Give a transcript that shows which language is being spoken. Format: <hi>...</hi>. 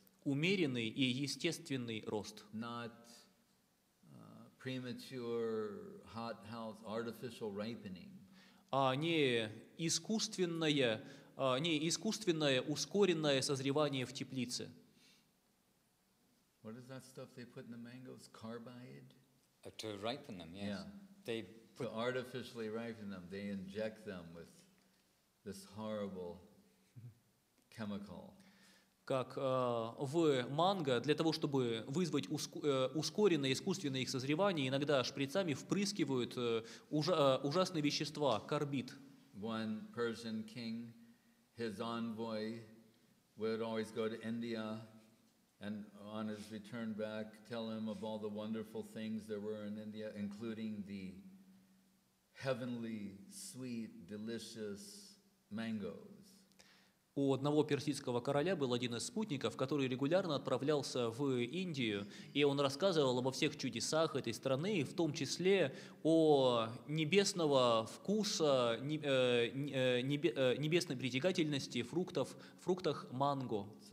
<ru>Умеренный и естественный рост.</ru> <en>Not, premature, hothouse, artificial ripening.</en> <ru>Не искусственное ускоренное созревание в теплице.</ru> <en>What is that stuff they put in the mangoes? Carbide? To ripen them, yes. Yeah. They to artificially ripen them, they inject them with this horrible chemical.</en> <ru>Как в манго, для того, чтобы вызвать ускоренное искусственное их созревание, иногда шприцами впрыскивают ужасные вещества, карбид.</ru> <en>One Persian king, his envoy, would always go to India and on his return back tell him of all the wonderful things there were in India, including the heavenly, sweet, delicious mangoes.</en> <ru>У одного персидского короля был один из спутников, который регулярно отправлялся в Индию, и он рассказывал обо всех чудесах этой страны, в том числе о небесного вкуса, небесной притягательности фруктах манго.</ru>